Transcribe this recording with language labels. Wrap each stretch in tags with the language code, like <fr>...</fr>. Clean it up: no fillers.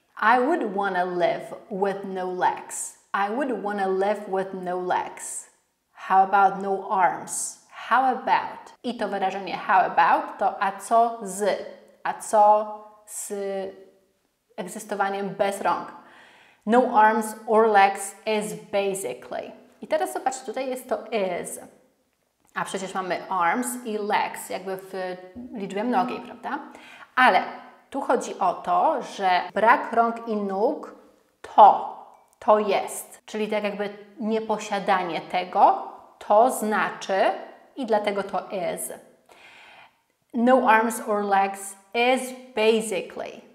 <en>I would wanna live with no legs. I would wanna live with no legs. How about no arms? How about?</en> <pl>I to wyrażenie how about to a co z? A co z egzystowaniem bez rąk?</pl> <en>No arms or legs is basically.</en> <pl>I teraz zobacz, tutaj jest to is. A przecież mamy arms i legs, jakby w liczbie mnogiej, prawda? Ale tu chodzi o to, że brak rąk i nóg to jest. Czyli tak jakby nieposiadanie tego, to znaczy i dlatego to is.</pl> <en>No arms or legs is basically.</en>